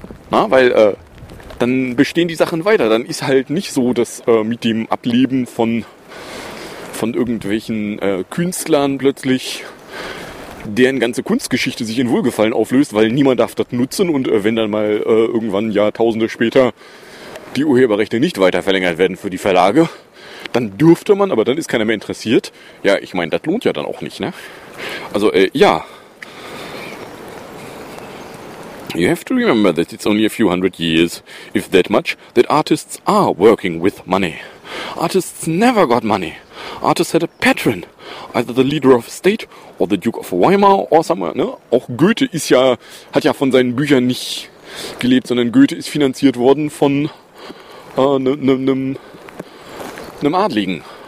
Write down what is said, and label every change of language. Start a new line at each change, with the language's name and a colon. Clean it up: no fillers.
German: Na, weil, dann bestehen die Sachen weiter. Dann ist halt nicht so, dass mit dem Ableben von irgendwelchen Künstlern plötzlich deren ganze Kunstgeschichte sich in Wohlgefallen auflöst, weil niemand darf das nutzen. Und wenn dann mal irgendwann Jahrtausende später die Urheberrechte nicht weiter verlängert werden für die Verlage. Dann dürfte man, aber dann ist keiner mehr interessiert. Ja, ich meine, das lohnt ja dann auch nicht, ne? Also, ja.
English: You have to remember that it's only a few hundred years, if that much, that artists are working with money. Artists never got money. Artists had a patron, either the leader of state or the Duke of Weimar or somewhere, ne?
German: Auch Goethe ist ja, hat ja von seinen Büchern nicht gelebt, sondern Goethe ist finanziert worden von einem Adligen.